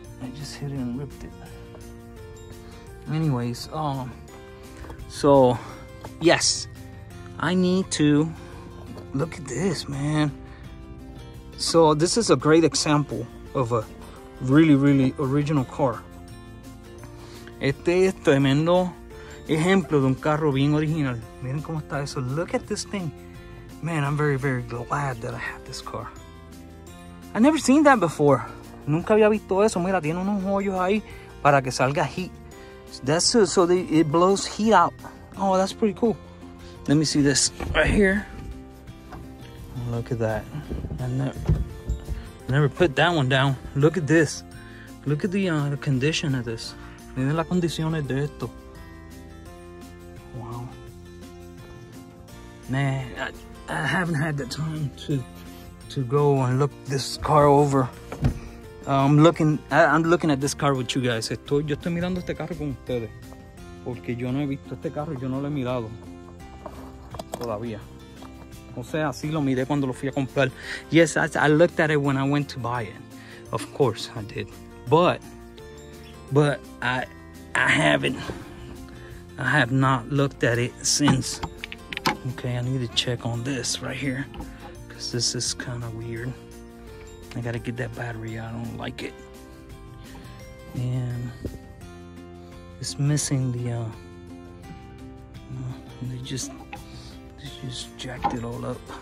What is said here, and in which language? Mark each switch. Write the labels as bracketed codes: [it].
[en] I just hit it and ripped it. Anyways, so, yes. I need to... Look at this, man. So, this is a great example of a really, really original car. [es] Este es tremendo ejemplo de un carro bien original. Miren cómo está eso. [en] Look at this thing. Man, I'm very, very glad that I have this car. I never seen that before. [es] Nunca había visto eso. Mira, tiene unos hoyos ahí para que salga heat. [en] That's so that it blows heat out. Oh, that's pretty cool. Let me see this right here. Look at that. I never put that one down. Look at this. Look at the condition of this. [es] Miren las condiciones de esto. [en] Wow. Man, I haven't had the time to go and look this car over. I'm looking at this car with you guys. [es] Yo estoy mirando este carro con ustedes. Porque yo no he visto este carro, yo no lo he mirado todavía. O sea, sí lo miré cuando lo fui a comprar. [en] Yes, I looked at it when I went to buy it. Of course I did. But I have not looked at it since Okay, I need to check on this right here, because this is kind of weird. I gotta get that battery. I don't like it. And it's missing the they just jacked it all up.